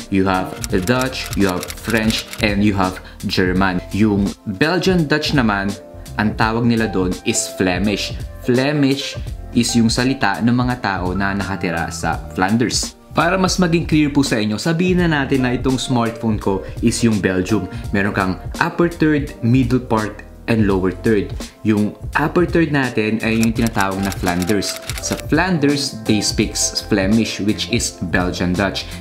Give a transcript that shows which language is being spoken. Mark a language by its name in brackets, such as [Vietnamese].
[English] You have Dutch, you have French, and you have German. [Filipino] Yung Belgian Dutch naman, ang tawag nila doon is Flemish. Flemish is yung salita ng mga tao na nakatira sa Flanders. Para mas maging clear po sa inyo, sabihin na natin na itong smartphone ko is yung Belgium. Meron kang [English] upper third, middle part, and lower third. [Filipino] Yung upper third natin ay yung tinatawag na Flanders. [English] Sa Flanders, they speak Flemish, which is Belgian Dutch.